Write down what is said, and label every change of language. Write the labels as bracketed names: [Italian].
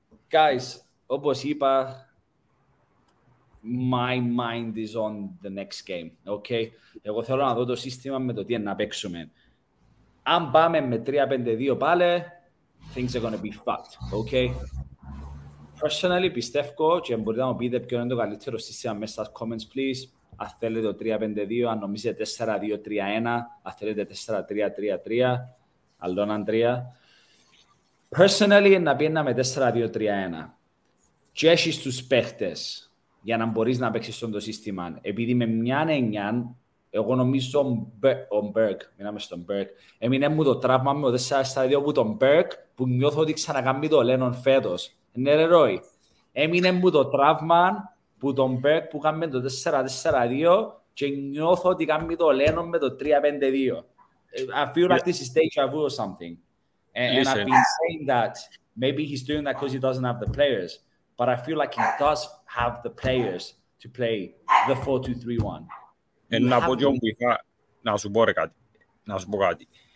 [English] Guys, [Greek] όπως είπα, [English] my mind is on the next game, okay? [Greek] Εγώ θέλω να δω το σύστημα με το τι να παίξουμε. Αν πάμε με 3-5-2 πάλι, [English] things are going to be fucked, okay? Personally, [Greek] πιστεύω, και μπορείτε να μου πείτε ποιο είναι το καλύτερο σύστημα μέσα στα comments, please. Αν θέλετε το 3-5-2, αν νομίζετε 4-2-3-1, αν θέλετε 4-3-3-3, αλλόν αντρία. [English] Personally, [Greek] να πιέναμε 4-2-3-1. Και έχεις τους παίχτες για να μπορείς να παίξεις στον το σύστημα. Επειδή με μια εννιάν, εγώ νομίζω ο Μπέρκ, μιλάμε στον Μπέρκ, έμεινε μου το τραύμα με το 4-4-2 που τον Μπέρκ, που νιώθω ότι ξανακάμει το Λένον φέτος. Ναι ρε Ρόι, έμεινε μου το τραύμα που τον Μπέρκ που κάνει το 4-4-2 και νιώθω ότι κάνει το Λένον με το 3-5-2. [English] I feel like this is deja vu or something. And I've been saying that maybe he's doing that because he doesn't have the players. But I feel like he does have the players to play the 4-2-3-1. [Greek] And να πω και όμως είχα να σου πω κάτι. Να σου πω κάτι.